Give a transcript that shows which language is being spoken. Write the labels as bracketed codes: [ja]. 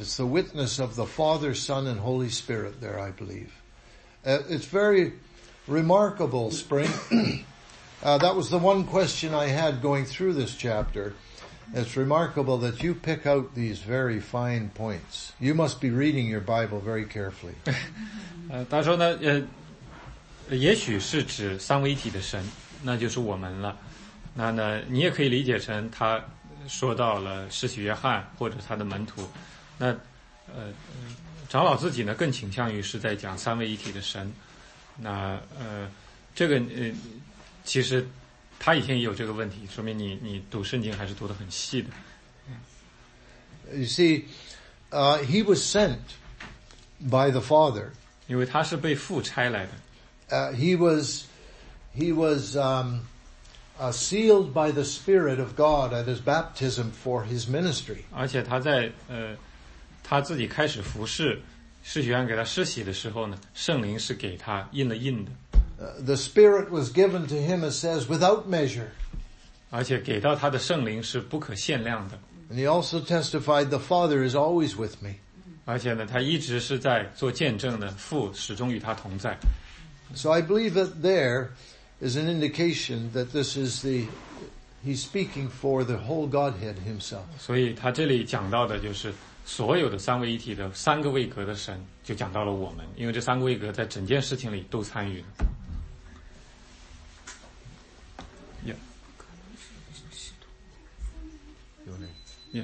[en] It's the witness of the Father, Son, and Holy Spirit there, I believe. It's very remarkable, Spring. that was the one question I had going through this chapter. It's remarkable that you pick out these very fine points. You must be reading your Bible very carefully. [zh] 他说呢，也许是指三位一体的神，那就是我们了。那呢，你也可以理解成他说到了施洗约翰或者他的门徒。那长老自己呢，更倾向于是在讲三位一体的神。那这个其实。他以前也有这个问题，说明你读圣经还是读得很细的。 [en] You see, he was sent by the Father. [zh] 因为他是被父差来的。 [en] He was sealed by the Spirit of God at his baptism for his ministry. [zh] 而且他在他自己开始服侍，施洗约翰给他施洗的时候呢，圣灵是给他印了印的。 [en] The Spirit was given to him, it says, without measure. [zh] 而且给到他的圣灵是不可限量的。 [en] And he also testified, the Father is always with me. [zh] 而且呢，他一直是在做见证的，父始终与他同在。 [en] So I believe that there is an indication that this is the, he's speaking for the whole Godhead himself. [zh] 所以他这里讲到的就是所有的三位一体的三个位格的神，就讲到了我们，因为这三个位格在整件事情里都参与了。 [en] Yeah.